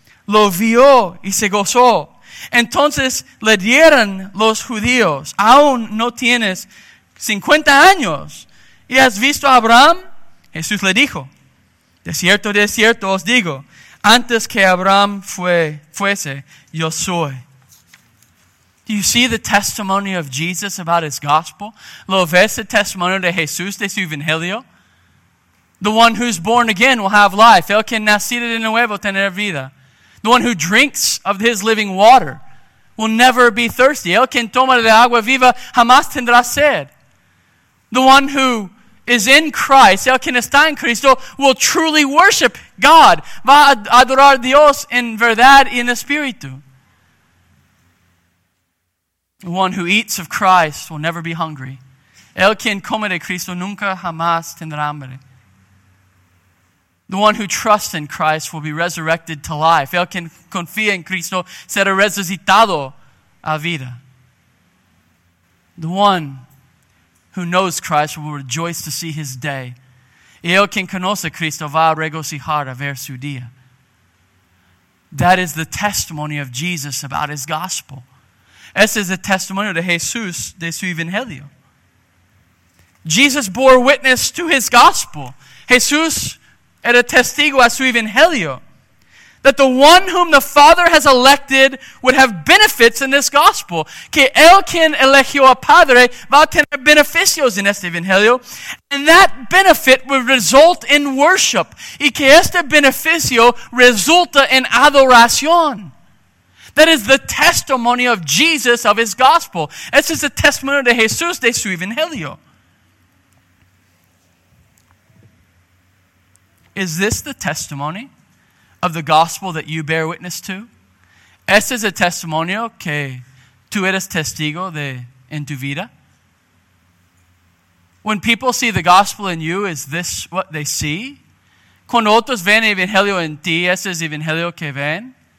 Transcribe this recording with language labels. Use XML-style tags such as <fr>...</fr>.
<es>Lo vio y se gozó. Entonces le dieron los judíos, aún no tienes 50 años. ¿Y has visto a Abraham? Jesús le dijo, de cierto os digo, antes que Abraham fuese, yo soy.</es> <en>Do you see the testimony of Jesus about His gospel?</en> <es>¿Lo ves el testimonio de Jesús de su evangelio?</es> <en>The one who's born again will have life.</en> <es>El que nacido de nuevo tendrá vida.</es> <en>The one who drinks of His living water will never be thirsty.</en> <es>El que toma de agua viva jamás tendrá sed.</es> <en>The one who is in Christ,</en> <es>el que está en Cristo,</es> <en>will truly worship God.</en> <es>Va a adorar a Dios en verdad y en espíritu.</es> <en>One who eats of Christ will never be hungry.</en> <es>El quien come de Cristo nunca jamás tendrá hambre.</es> <en>The one who trusts in Christ will be resurrected to life.</en> <es>El quien confía en Cristo será resucitado a vida.</es> <en>The one who knows Christ will rejoice to see His day.</en> <es>Y el quien conoce a Cristo va a regocijar a ver su día.</es> <en>That is the testimony of Jesus about His gospel.</en> <es>Ese es el testimonio de Jesús de su evangelio.</es> <en>Jesus bore witness to His gospel.</en> <es>Jesús era testigo a su evangelio.</es> <en>That the one whom the Father has elected would have benefits in this gospel.</en> <es>Que el quien eligió a Padre va a tener beneficios en este evangelio.</es> <en>And that benefit will result in worship.</en> <es>Y que este beneficio resulta en adoración.</es> <en>That is the testimony of Jesus, of His gospel.</en> <es>Ese es el testimonio de Jesús de su evangelio.</es> <en>Is this the testimony of the gospel that you bear witness to?</en> <es>Ese es el testimonio que tú eres testigo de en tu vida.</es> <en>When people see the gospel in you, is this what they see?</en> <es>Cuando otros ven el evangelio en ti, ese es el evangelio que ven.</es>